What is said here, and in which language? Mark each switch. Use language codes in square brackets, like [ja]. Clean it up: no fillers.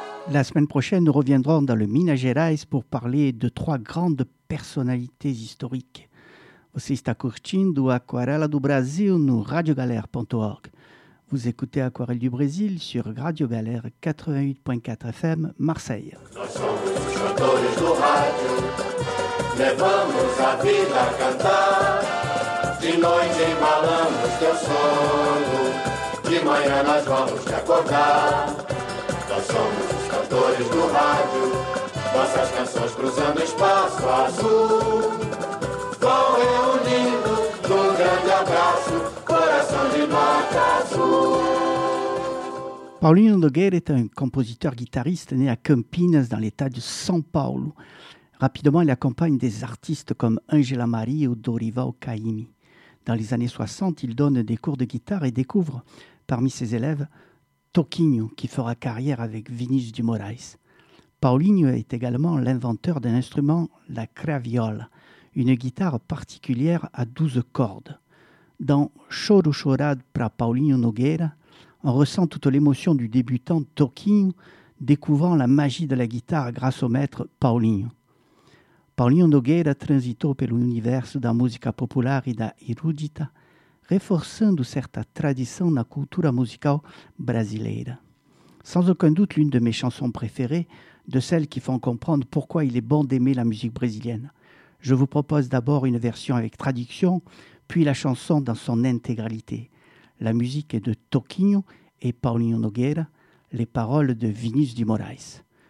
[fr] La semaine prochaine, nous reviendrons dans le Minas Gerais pour parler de trois grandes personnalités historiques. [pt] Você está curtindo Aquarela do Brasil no radiogalère.org. [fr] Vous écoutez Aquarelle du Brésil sur Radio Galère 88.4 FM, Marseille. [pt] Nós somos os cantores do rádio, levamos a vida a cantar. De noite embalamos teu sono, de manhã nós vamos te acordar. Nós somos os cantores do rádio, nossas canções cruzando espaço azul. Vão reunindo num grande abraço, coração de nota azul. [fr] Paulinho Nogueira est un compositeur guitariste né à Campinas, dans l'état de São Paulo. Rapidement, il accompagne des artistes comme Angela Maria ou Dorival Caymmi. Dans les années 60, il donne des cours de guitare et découvre, parmi ses élèves, Toquinho, qui fera carrière avec Vinícius de Moraes. Paulinho est également l'inventeur d'un instrument, la craviola, une guitare particulière à 12 cordes. Dans Choro Chorado para Paulinho Nogueira, on ressent toute l'émotion du débutant Toquinho découvrant la magie de la guitare grâce au maître Paulinho. [pt] Paulinho Nogueira transitou pelo universo da música popular e da erudita, reforçando certa tradição na cultura musical brasileira. [fr] Sans aucun doute, l'une de mes chansons préférées, de celles qui font comprendre pourquoi il est bon d'aimer la musique brésilienne. Je vous propose d'abord une version avec traduction, puis la chanson dans son intégralité. La musique est de Toquinho et Paulinho Nogueira, les paroles de Vinícius de Moraes.